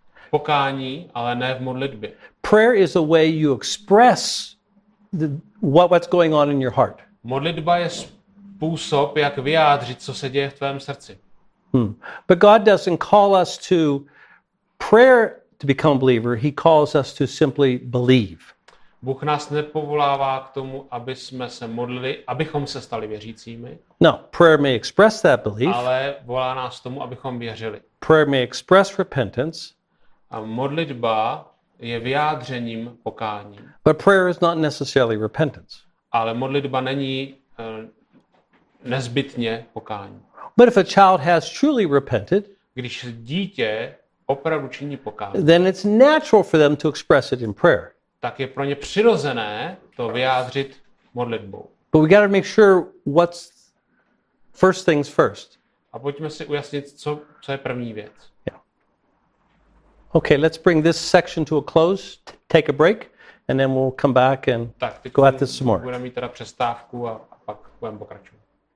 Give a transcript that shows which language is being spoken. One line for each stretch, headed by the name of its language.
Czech: Pokání, ale ne v modlitbě.
English: Prayer is a way you express what's going on in your heart.
Czech: Modlitba je způsob, jak vyjádřit, co se děje v tvém srdci.
English: But God doesn't call us to prayer to become a believer. He calls us to simply believe.
Czech: Bůh nás nepovolává k tomu, aby jsme se modlili, abychom se stali věřícími.
English: No, prayer may express that belief.
Czech: Ale volá nás k tomu, abychom věřili.
English: Prayer may express repentance.
Czech: A modlitba je vyjádřením pokání.
English: But prayer is not necessarily repentance.
Czech: Ale modlitba není nezbytně pokání.
English: But if a child has truly repented,
Czech: když dítě opravdu činí pokání,
English: then it's natural for them to express it in prayer.
Czech: Tak je pro ně přirozené to vyjádřit modlitbou.
English: But we got to make sure what's first things first.
Czech: A pojďme si ujasnit, co je první věc.
English: Yeah. Okay, let's bring this section to a close, take a break, and then we'll come back and
Czech: tak,
English: go at this some more.
Czech: Budeme mít teda přestávku a pak budeme pokračovat.